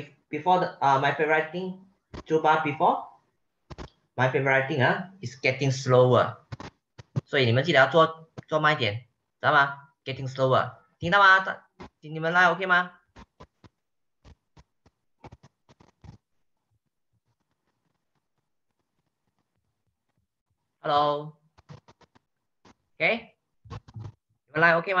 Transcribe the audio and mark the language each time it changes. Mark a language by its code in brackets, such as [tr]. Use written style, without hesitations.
[en] Before the, my favorite thing, two bar before, my favorite thing is getting slower. [zh] 所以你们记得要做慢一点，知道吗？ [en] Getting slower, [zh] 听到吗？你们来 OK 吗？ Hello, OK, 你们来 OK 吗？